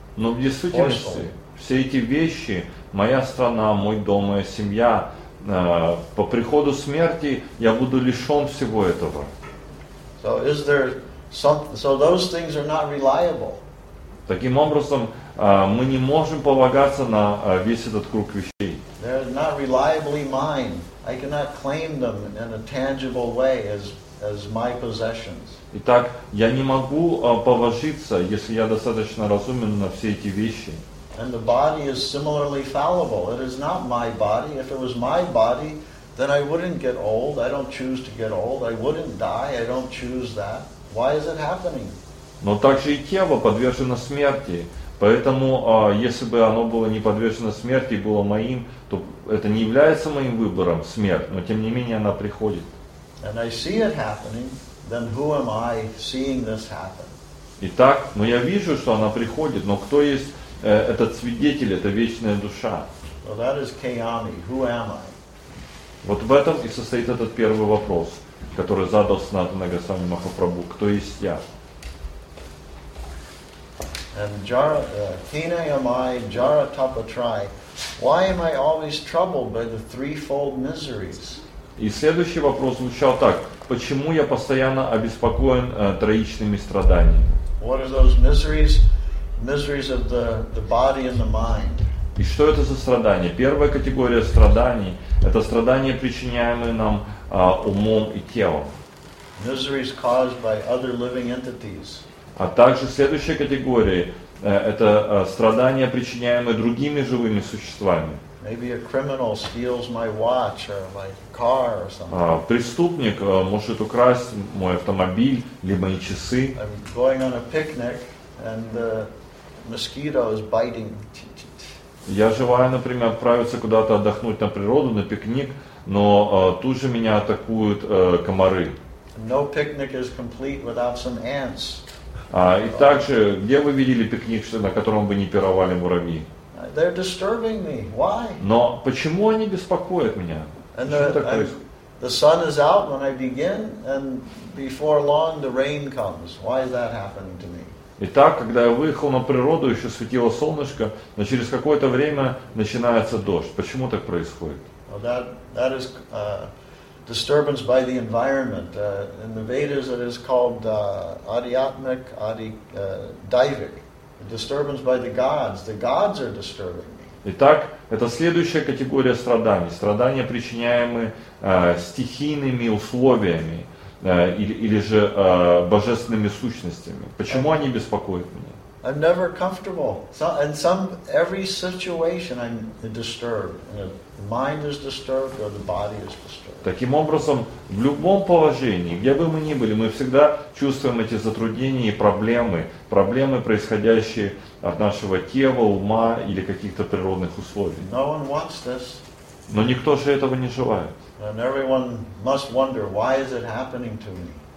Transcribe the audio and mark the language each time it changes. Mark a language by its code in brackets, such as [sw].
[ru] Но в действительности, все эти вещи, моя страна, мой дом, моя семья, по приходу смерти я буду лишен всего этого. [en] So is there something, so those things are not reliable. [ru] Таким образом, мы не можем полагаться на весь этот круг вещей. [en] They're not reliably mine. I cannot claim them in a tangible way as my possessions. [ru] Итак, я не могу положиться, если я достаточно разумен, на все эти вещи. [en] And the body is similarly fallible. It is not my body. If it was my body, then I wouldn't get old. I don't choose to get old. I wouldn't die. I don't choose that. Why is it happening? [ru] Но также и тело подвержено смерти. Поэтому, если бы оно было не подвержено смерти и было моим, то это не является моим выбором, смерть, но тем не менее она приходит. [en] And I see it happening, then who am I seeing this happen? [ru] Итак, но я вижу, что она приходит, но кто есть этот свидетель, эта вечная душа? [en] Well, that is Kayami. Who am I? [ru] Вот в этом и состоит этот первый вопрос, который задал Санатана Госвами Махапрабху. Кто есть я? [en] And Jara, Kina am I, Jara Tapatrai. Why am I always troubled by the threefold miseries? [ru] И следующий вопрос звучал так: почему я постоянно обеспокоен троичными страданиями? What are those miseries? Miseries of the body and the mind. И что это за страдания? Первая категория страданий – это страдания, причиняемые нам умом и телом. [en] Miseries caused by other living entities. [ru] А также следующая категория – это страдания, причиняемые другими живыми существами. [en] Maybe a criminal steals my watch or my car or something. [ru] Преступник может украсть мой автомобиль или мои часы. [en] I'm going on a picnic and the mosquito is biting. [ru] Я желаю, например, отправиться куда-то отдохнуть на природу, на пикник, но тут же меня атакуют комары. [en] No picnic is complete without some ants. [ru] И также, где вы видели пикник, на котором бы не пировали муравьи? [en] They're disturbing me. Why? [ru] Но почему они беспокоят меня? [en] And the sun is out when I begin, and before long the rain comes. Why is that happening to me? [ru] Итак, когда я выехал на природу, еще светило солнышко, но через какое-то время начинается дождь. Почему так происходит? [en] Well, that is disturbance by the environment. In the Vedas, it is called adiatmic, adivik. Disturbance by the gods. The gods are disturbing me. [ru] Итак, это следующая категория страданий. Страдания, причиняемые стихийными условиями или же божественными сущностями. Почему они беспокоят меня? [en] I'm never comfortable. So, in some every situation, I'm disturbed. The mind is disturbed, or the body is disturbed. [ru] Таким образом, в любом положении, где бы мы ни были, мы всегда чувствуем эти затруднения и проблемы, проблемы, происходящие от нашего тела, ума или каких-то природных условий. [en] No one wants this. [ru] Но никто же этого не желает. [en] And everyone must wonder, why is it happening to me?